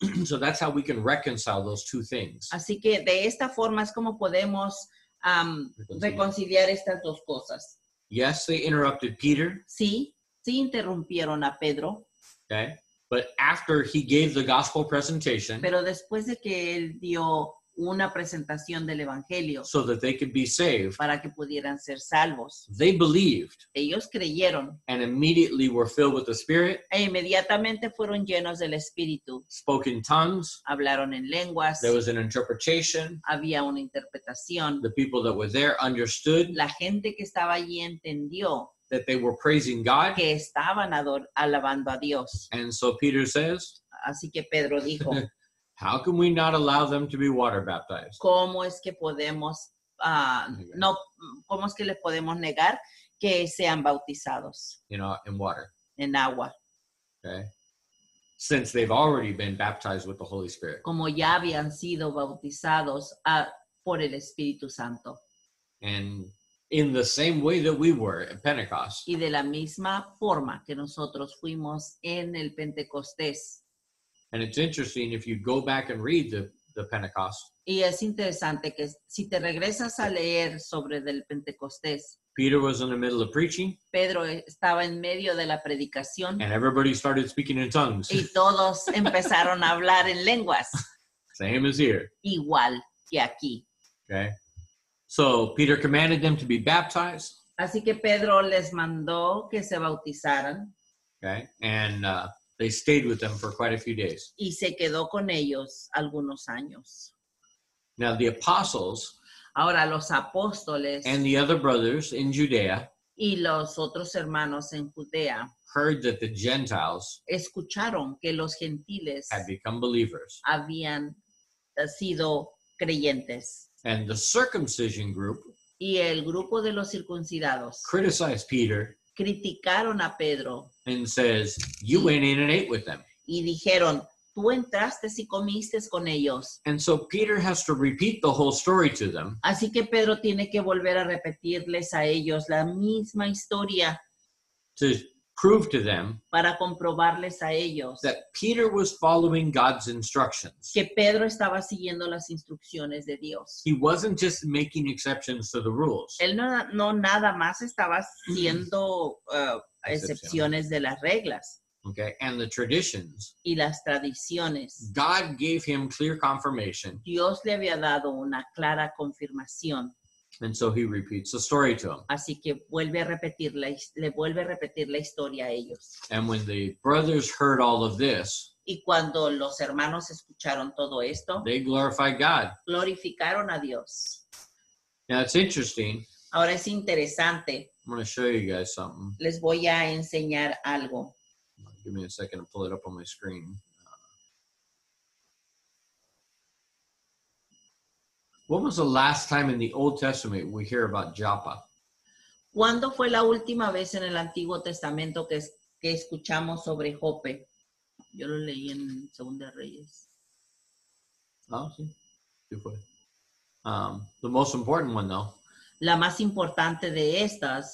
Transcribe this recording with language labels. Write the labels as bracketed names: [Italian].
[English] So that's how we can reconcile those two things. [Spanish] Así que de esta forma es como podemos reconciliar estas dos cosas. [English] Yes, they interrupted Peter. [Spanish] Sí, sí interrumpieron a Pedro. [English] Okay. But after he gave the gospel presentation. [Spanish] Pero después de que él dio una presentación del evangelio. [English] So that they could be saved. [Spanish] Para que pudieran ser salvos. [English] They believed. [Spanish] Ellos creyeron. [English] And immediately were filled with the Spirit. [Spanish] E inmediatamente fueron llenos del Espíritu. [English] Spoke in tongues. [Spanish] Hablaron en lenguas. [English] There was an interpretation. [Spanish] Había una interpretación. [English] The people that were there understood. [Spanish] La gente que estaba allí entendió. [English] That they were praising God. [Spanish] Que estaban alabando a Dios. [English] And so Peter says. [Spanish] Así que Pedro dijo. [English] How can we not allow them to be water baptized? [Spanish] ¿Cómo es que podemos, no, cómo es que les podemos negar que sean bautizados? [English] You know, in water. [Spanish] En agua. [English] Okay. Since they've already been baptized with the Holy Spirit. [Spanish] Como ya habían sido bautizados por el Espíritu Santo. [English] And in the same way that we were at Pentecost. [Spanish] Y de la misma forma que nosotros fuimos en el Pentecostés. [English] And it's interesting if you go back and read the Pentecost. [Spanish] Y es interesante que si te regresas a leer sobre del Pentecostés. [English] Peter was in the middle of preaching. [Spanish] Pedro estaba en medio de la predicación. [English] And everybody started speaking in tongues. [Spanish] Y todos empezaron a hablar en lenguas. [English] Same as here. [Spanish] Igual que aquí. [English] Okay. So Peter commanded them to be baptized. [Spanish] Así que Pedro les mandó que se bautizaran. [English] Okay. And they stayed with them for quite a few days. [Spanish] Y se quedó con ellos algunos años. [English] Now the apostles. [Spanish] Ahora los apóstoles. [English] And the other brothers in Judea. [Spanish] Y los otros hermanos en Judea. [English] Heard that the Gentiles. [Spanish] Escucharon que los gentiles. [English] Had become believers. [Spanish] Habían sido creyentes. [English] And the circumcision group. [Spanish] Y el grupo de los circuncidados. [English] Criticized Peter. [Spanish] Criticaron a Pedro. [English] And says, you went in and ate with them. [Spanish] Y dijeron, tú entraste y comiste con ellos. [English] And so Peter has to repeat the whole story to them. [Spanish] Así que Pedro tiene que volver a repetirles a ellos la misma historia. [English] To prove to them [Spanish] para comprobarles a ellos [English] that Peter was following God's instructions. [Spanish] Que Pedro estaba siguiendo las instrucciones de Dios. [English] He wasn't just making exceptions to the rules. [Spanish] Él no nada más estaba haciendo excepciones de las reglas. [English] Okay, and the traditions. [Spanish] Y las tradiciones. [English] God gave him clear confirmation. [Spanish] Dios le había dado una clara confirmación. [English] And so he repeats the story to him. [Spanish] Así que vuelve a repetir la historia a ellos. [English] And when the brothers heard all of this, [Spanish] y cuando los hermanos escucharon todo esto, [English] they glorified God. [Spanish] Glorificaron a Dios. [English] Now it's interesting. [Spanish] Ahora es interesante. [English] I'm going to show you guys something. [Spanish] Les voy a enseñar algo. [English] Give me a second to pull it up on my screen. When was the last time in the Old Testament we hear about Joppa? [Spanish] ¿Cuándo fue la última vez en el Antiguo Testamento que escuchamos sobre Joppa? Yo lo leí en Segunda Reyes. Oh, sí. Sí fue. [English] The most important one, though. [Spanish] La más importante de estas.